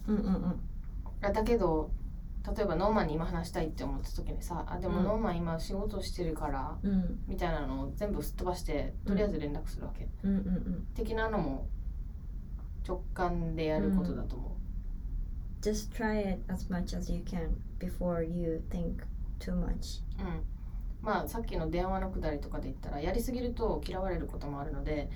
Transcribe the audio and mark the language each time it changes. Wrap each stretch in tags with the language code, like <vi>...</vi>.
<ja>うんうんうん、だけど例えばノーマンに今話したいって思った時にさ、あでもノーマン今仕事してるから、うん、みたいなのを全部すっ飛ばしてとりあえず連絡するわけ、うんうんうん、的なのも直感でやることだと思う、う</ja> <en>ん、Just try it as much as you can before you think too much、</en> <ja>うん、まあ、さっきの電話のくだりとかで言ったらやりすぎると嫌われることもあるので、</ja>